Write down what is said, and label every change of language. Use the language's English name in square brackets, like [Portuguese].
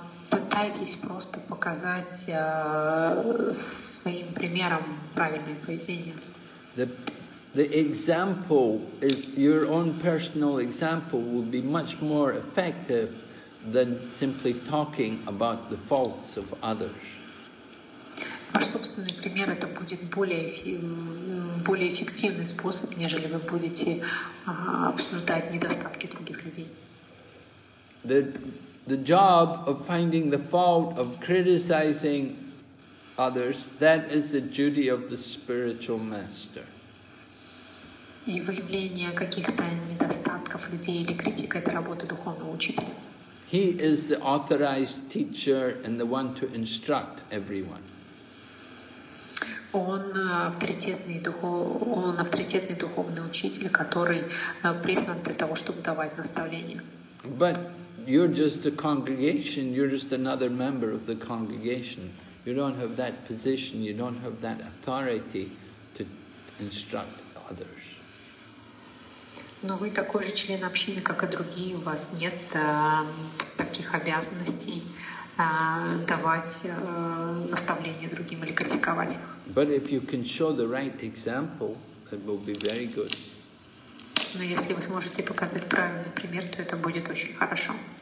[Russian] Пытайтесь просто показать своим примером правильное поведение. [English] The example, is your own personal example, will be much more effective than simply talking about the faults of others. [Russian] Ваш собственный пример — это будет более эффективный способ, нежели вы будете обсуждать недостатки других людей. [English] The job of finding the fault of criticizing others, that is the duty of the spiritual master. [Russian] И выявление каких-то недостатков людей или критика — это работа духовного учителя. [English] He is the authorized teacher and the one to instruct everyone. [Russian] Он авторитетный духовный учитель, который призван для того, чтобы давать наставления. [English] But you're just a congregation, you're just another member of the congregation. You don't have that position, you don't have that authority to instruct others. [Russian] Но вы такой же член общины, как и другие, у вас нет таких обязанностей давать наставления другим или критиковать их. [English] But if you can show the right example, it will be very good. [Russian] Но если вы сможете показать правильный пример, то это будет очень хорошо.